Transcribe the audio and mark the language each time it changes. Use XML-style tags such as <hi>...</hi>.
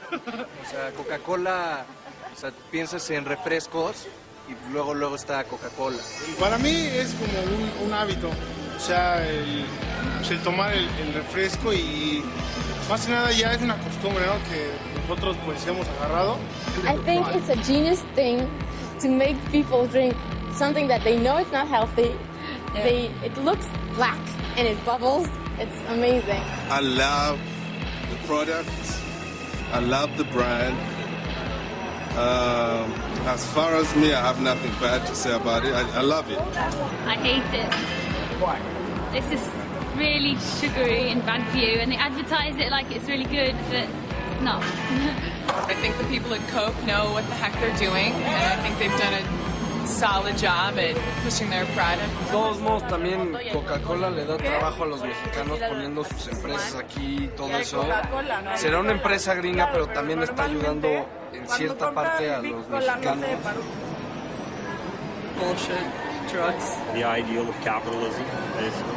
<es>O sea, Coca-Cola, o sea, piensas en refrescos y luego está Coca-Cola. Para mí es como un hábito, o sea, el tomar el refresco y Más que nada ya es una costumbre, ¿no? Que nosotros pues hemos agarrado.</es> <en>I think it's a genius thing to make people drink something that they know it's not healthy. Yeah. It looks black and it bubbles. It's amazing. I love the product. I love the brand. As far as me, I have nothing bad to say about it. I love it. I hate it. Why? It's just really sugary and bad for you, and they advertise it like it's really good, but it's not. I think the people at Coke know what the heck they're doing, and I think they've done a solid job at pushing their product.</en> <es>De todos modos, también Coca-Cola le da trabajo a los mexicanos poniendo sus empresas aquí y todo eso. Será una empresa gringa, pero también está ayudando en cierta parte a los mexicanos.</es> <en>Bullshit. Drugs. The ideal of capitalism is.</en>